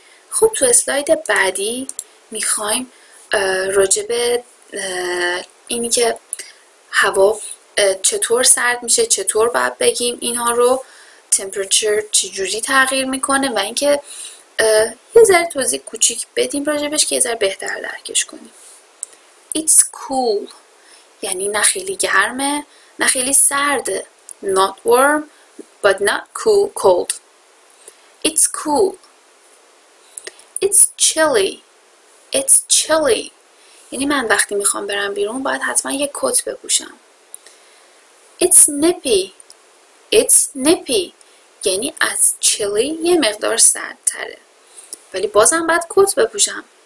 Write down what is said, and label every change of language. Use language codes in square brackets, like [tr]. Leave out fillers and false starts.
[fa] خب تو اسلاید بعدی میخوایم راجب اینی که هوا چطور سرد میشه، چطور باید بگیم اینا رو، temperature چجوری تغییر میکنه، و اینکه یه ذره توضیح کوچیک بدیم راجبش که یه ذره بهتر درکش کنیم. [en] It's cool [fa] یعنی نه خیلی گرمه، نه خیلی سرده. [en] Not warm but not cool cold. It's cool. It's chilly. It's chilly [fa] یعنی من وقتی میخوام برم بیرون باید حتما یه کت بپوشم. [en] It's nippy. It's nippy [fa] یعنی از چلی یه مقدار سردتره، ولی بازم باید کت بپوشم.